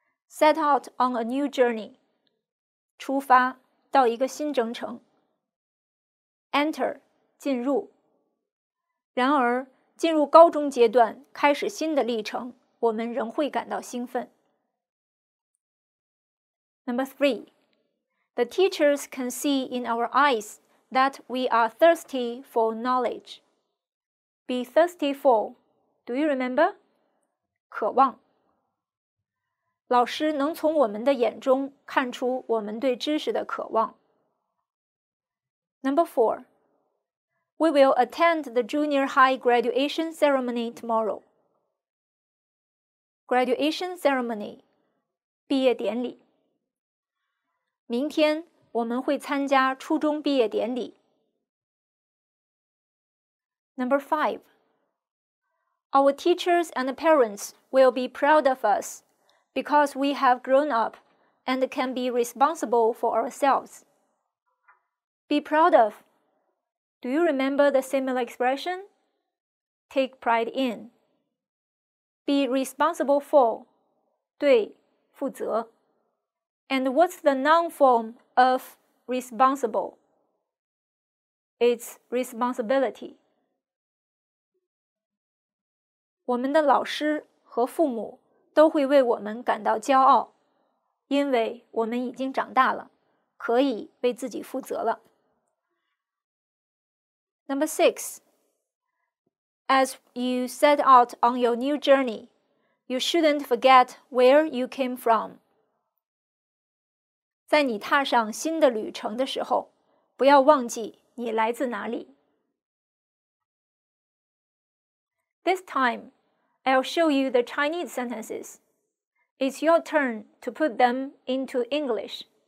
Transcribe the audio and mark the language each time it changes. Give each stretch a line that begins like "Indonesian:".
English: Set out on a new journey.
Chinese: 出发到一个新征程。 Enter, 进入。然而进入高中阶段开始新的历程我们仍会感到兴奋。
English: Number three, the teachers can see in our eyes that we are thirsty for knowledge. Be thirsty for, do you remember?
Chinese: 渴望。老师能从我们的眼中看出我们对知识的渴望。
English: Number four, we will attend the junior high graduation ceremony tomorrow. Graduation ceremony,
Chinese: 毕业典礼。明天我们会参加初中毕业典礼。
English: Number five. Our teachers and parents will be proud of us because we have grown up and can be responsible for ourselves. Be proud of. Do you remember the similar expression? Take pride in. Be responsible for.
Chinese: 对，负责。
English: And what's the noun form of responsible? It's responsibility.
Chinese: 我们的老师和父母都会为我们感到骄傲，因为我们已经长大了，可以为自己负责了。
English: Number six. As you set out on your new journey, you shouldn't forget where you came from.
Chinese: 在你踏上新的旅程的时候，不要忘记你来自哪里。
English: This time, I'll show you the Chinese sentences. It's your turn to put them into English.